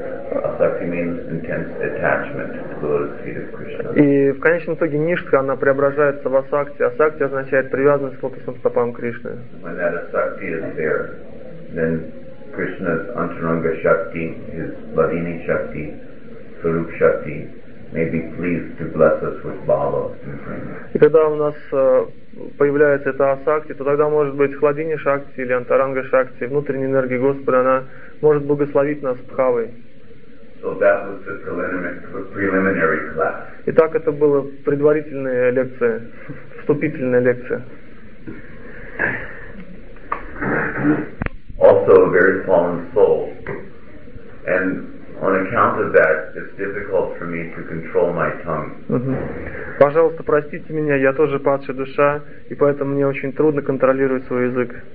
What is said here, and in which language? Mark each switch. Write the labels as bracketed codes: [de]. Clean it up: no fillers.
[en] Asakti means intense attachment to the lotus feet of Krishna. [ru] И в конечном итоге Ништха, она преображается в Асакти. Асакти означает привязанность к лотосным стопам Кришны. [en] When that Asakti is there, then Krishna's Antaranga Shakti, his Ladini Shakti, Sarup Shakti, may be pleased to bless us with Bhava. [ru] И когда у нас появляется эта асакти, то тогда может быть Хладини Шакти или Антаранга Шакти, внутренняя энергия Господа, она может благословить нас Бхавой. [en] So that was the preliminary class. [ru] Итак, это была предварительная лекция, вступительная лекция. [en] Also a very fallen soul. And on account of that, it's difficult for me to control my tongue. [ru] Пожалуйста, простите меня, я тоже падшая душа, и поэтому мне очень трудно контролировать свой язык.